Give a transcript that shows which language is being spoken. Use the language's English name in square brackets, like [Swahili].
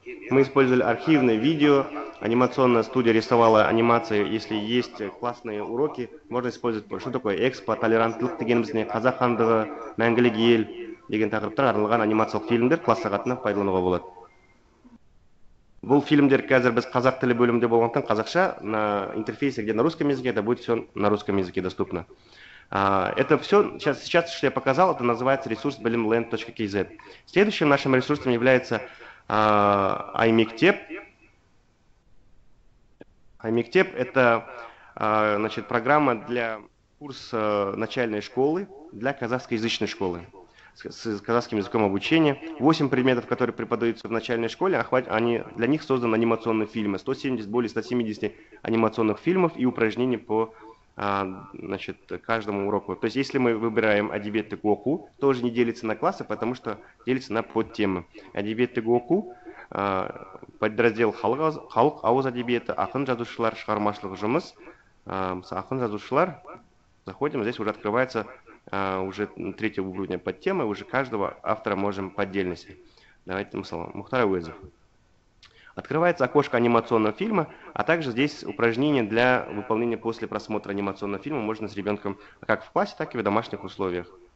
[Russian] Мы использовали архивное видео, анимационная студия рисовала анимацию. Если есть классные уроки, можно использовать. Что такое экспо, [Kazakh] толерантлық дегенімізне, қазақандығы, мәңгілік ел деген тақырыптар арналған анимациялық фильмдер классағатына пайдалануға болады. Бұл фильмдер қазір біз қазақ тілі бөлімінде болғандықтан қазақша [Russian] на интерфейсе, где на русском языке, это будет все на русском языке доступно. Это все, сейчас, что я показал, это называется ресурс blimland.kz. Следующим нашим ресурсом является iMiktep. iMiktep – это значит, программа для курса начальной школы, для казахскоязычной школы с казахским языком обучения. 8 предметов, которые преподаются в начальной школе, они, для них созданы анимационные фильмы. 170, более 170 анимационных фильмов и упражнений по значит, каждому уроку. То есть, если мы выбираем Әдебиет Гоку, тоже не делится на классы, потому что делится на подтемы. [Kazakh] Әдебиет Гоку подраздел халық ауыз әдебиеті, ақын жазушылар, шығармашылық жұмыс. [Russian] Ақын жазушылар, заходим, здесь уже открывается уже третье уровень подтемы, уже каждого автора можем по отдельности. Давайте мы словом. Мухтар Әуезов. Открывается окошко анимационного фильма, а также здесь упражнения для выполнения после просмотра анимационного фильма можно с ребенком как в классе, так и в домашних условиях.